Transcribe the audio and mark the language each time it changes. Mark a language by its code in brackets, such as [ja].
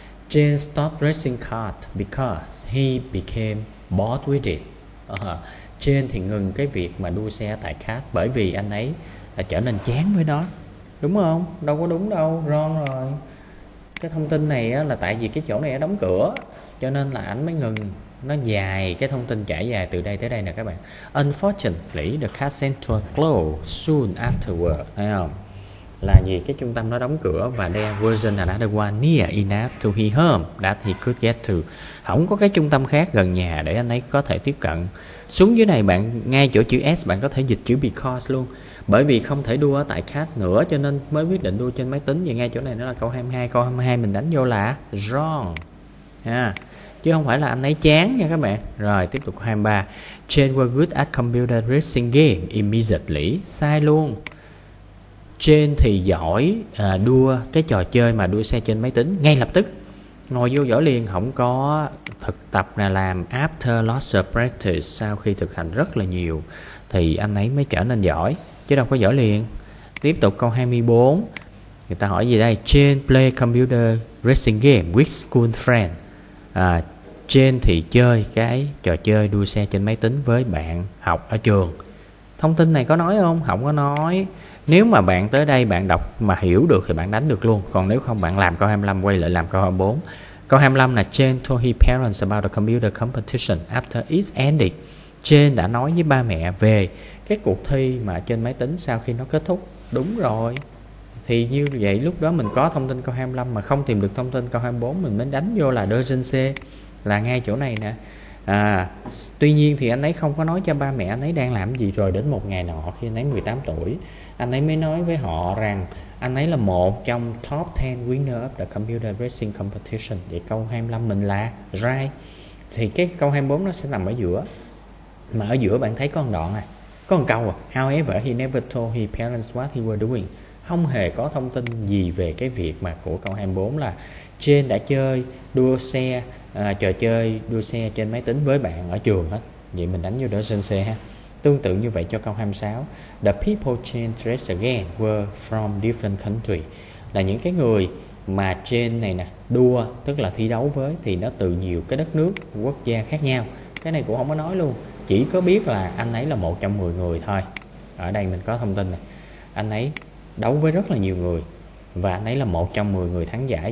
[en] Jane stopped racing cars because he became bored with it. [vi] Jane thì ngừng cái việc mà đua xe tại cars bởi vì anh ấy là trở nên chán với nó. Đúng không? Đâu có đúng đâu, wrong rồi. Cái thông tin này là tại vì cái chỗ này đóng cửa cho nên là anh mới ngừng. Nó dài, cái thông tin trải dài từ đây tới đây nè các bạn. [en] Unfortunately, the car center closed soon afterward. Thấy không? Là gì? Cái trung tâm nó đóng cửa và there wasn't another one near enough to his home that he could get to. [vi] Không có cái trung tâm khác gần nhà để anh ấy có thể tiếp cận. Xuống dưới này bạn ngay chỗ chữ S bạn có thể dịch chữ because luôn. Bởi vì không thể đua ở tại khác nữa cho nên mới quyết định đua trên máy tính. Vậy ngay chỗ này nó là câu 22. Câu 22 mình đánh vô là wrong ha. Chứ không phải là anh ấy chán nha các bạn. Rồi tiếp tục 23. Jane was good at computer racing game immediately. Sai luôn. Jane thì giỏi đua cái trò chơi mà đua xe trên máy tính ngay lập tức. Ngồi vô giỏi liền, không có thực tập là làm after lots of practice. Sau khi thực hành rất là nhiều thì anh ấy mới trở nên giỏi, chứ đâu có giỏi liền. Tiếp tục câu 24. Người ta hỏi gì đây? [en] Jane play computer racing game with school friend. [vi] Jane thì chơi cái trò chơi đua xe trên máy tính với bạn học ở trường. Thông tin này có nói không? Không có nói. Nếu mà bạn tới đây bạn đọc mà hiểu được thì bạn đánh được luôn. Còn nếu không bạn làm câu 25, quay lại làm câu 24. [en] Câu 25 là Jane told his parents about the computer competition after it ended. [vi] Jane đã nói với ba mẹ về cái cuộc thi mà trên máy tính sau khi nó kết thúc. Đúng rồi. Thì như vậy lúc đó mình có thông tin câu 25 mà không tìm được thông tin câu 24, mình mới đánh vô là Dersen C. Là ngay chỗ này nè. Tuy nhiên thì anh ấy không có nói cho ba mẹ anh ấy đang làm gì. Rồi đến một ngày nọ khi anh ấy 18 tuổi, anh ấy mới nói với họ rằng anh ấy là một trong top 10 winner of the computer racing competition. Vậy câu 25 mình là right. Thì cái câu 24 nó sẽ nằm ở giữa. Mà ở giữa bạn thấy có một đoạn à, có một câu à. [en] However, he never told his parents what he was doing. [vi] Không hề có thông tin gì về cái việc mà của câu 24 là Jane đã chơi đua xe, trò chơi đua xe trên máy tính với bạn ở trường hết. Vậy mình đánh vô đỡ sân xe ha. Tương tự như vậy cho câu 26. [en] The people changed dress again were from different country. [vi] Là những cái người mà trên này nè, đua, tức là thi đấu với, thì nó từ nhiều cái đất nước, quốc gia khác nhau. Cái này cũng không có nói luôn. Chỉ có biết là anh ấy là một trong 10 người thôi. Ở đây mình có thông tin này. Anh ấy đấu với rất là nhiều người. Và anh ấy là một trong 10 người thắng giải.